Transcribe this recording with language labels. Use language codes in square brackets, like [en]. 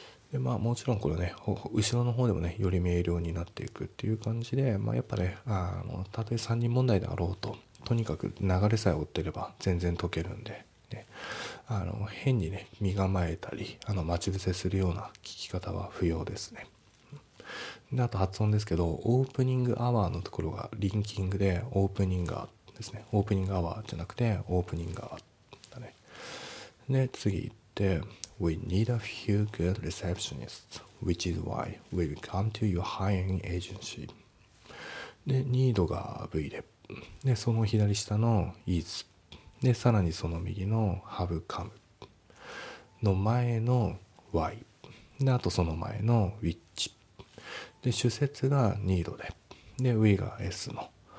[ja] で、まあもちろんこれね、後ろの方でもね、より明瞭になっていくっていう感じで、まあやっぱね、たとえ3人問題であろうと、とにかく流れさえ追ってれば全然解けるんで、ね、変にね、身構えたり、待ち伏せするような聞き方は不要ですね。で、あと発音ですけど、オープニングアワーのところがリンキングで、オープニングアーですね。オープニングアワーじゃなくて、オープニングアーだね。で、次行って、 [en] We need a few good receptionists, which is why we've come to your hiring agency. [ja] で、need が V で、で、その左下の is。で、さらにその右の have come の前の why。で、あとその前の which。で、主節が need で。で、we が S の。